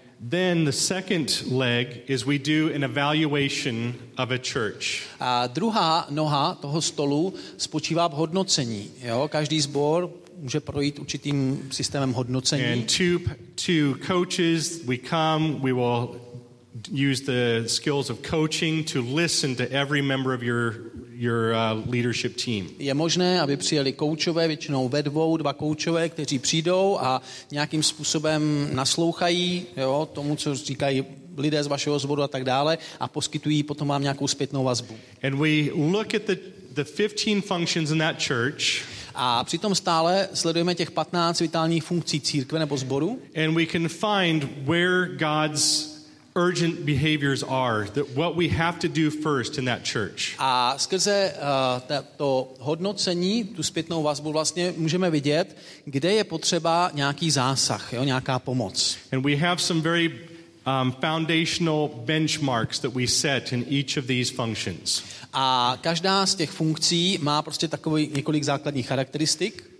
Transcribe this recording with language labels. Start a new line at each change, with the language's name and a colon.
English: Then the second leg is we do an evaluation of a church.
Czech: A druhá noha toho stolu spočívá v hodnocení, jo, každý sbor může projít určitým systémem hodnocení.
English: And two coaches, we come, we will use the skills of coaching to listen to every member of your leadership team.
Czech: Je možné, aby přijeli koučové, většinou ve dvou, dva koučové, kteří přijdou a nějakým způsobem naslouchají, jo, tomu, co říkají lidé z vašeho sboru a tak dále, a poskytují potom vám nějakou zpětnou vazbu.
English: And we look at the 15 functions in that church.
Czech: A přitom stále sledujeme těch 15 vitálních funkcí církve nebo sboru.
English: And we can find where God's urgent behaviors are, that what we have to do first in that church.
Czech: A skrze to hodnocení, tu zpětnou vazbu vlastně můžeme vidět, kde je potřeba nějaký zásah, jo, nějaká pomoc.
English: And we have some very foundational benchmarks that we set in each of these functions.
Czech: A každá z těch funkcí má prostě takový několik základních charakteristik.